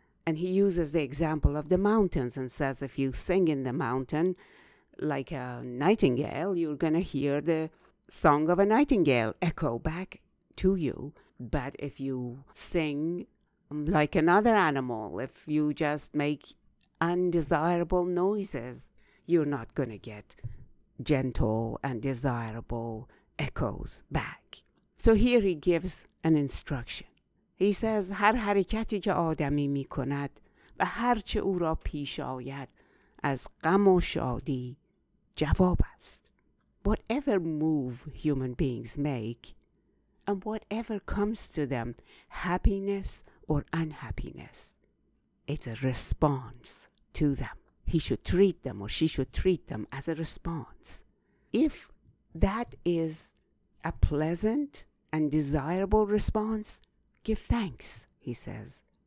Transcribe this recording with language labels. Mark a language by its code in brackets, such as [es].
[en] And he uses the example of the mountains and says, if you sing in the mountain like a nightingale, you're going to hear the song of a nightingale echo back to you. But if you sing like another animal, if you just make undesirable noises, you're not going to get gentle and desirable echoes back. So here he gives an instruction. He says, [fa] هر حرکتی که آدمی می کند و هرچه او را پیش آید از غم و شادی جواب است. [en] Whatever move human beings make and whatever comes to them, happiness or unhappiness, it's a response to them. He should treat them or she should treat them as a response. If that is a pleasant and desirable response, give thanks, he says.